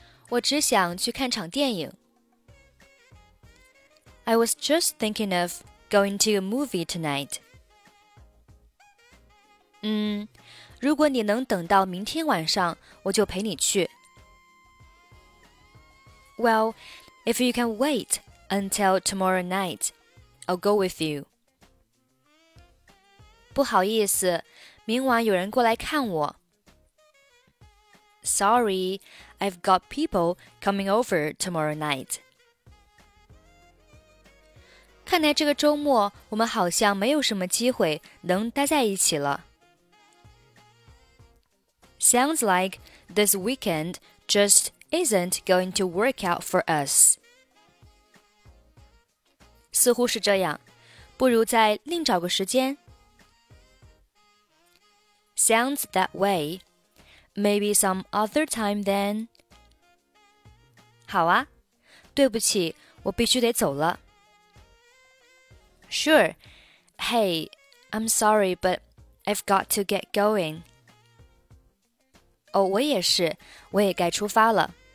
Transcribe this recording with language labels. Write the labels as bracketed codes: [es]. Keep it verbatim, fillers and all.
[zh] 我只想去看场电影。 [en] I was just thinking of going to a movie tonight. [zh] 嗯，如果你能等到明天晚上，我就陪你去。 [en] Well, if you can wait until tomorrow night, I'll go with you. [zh] 不好意思，明晚有人过来看我。 [en] Sorry, I've got people coming over tomorrow night. [zh] 看来这个周末我们好像没有什么机会能待在一起了。 [en] Sounds like this weekend just isn't going to work out for us. [zh] 似乎是这样，不如再另找个时间。 [en] Sounds that way. Maybe some other time then. [zh] 好啊，对不起，我必须得走了。 [en] Sure. Hey, I'm sorry, but I've got to get going. [zh] 哦，我也是，我也该出发了。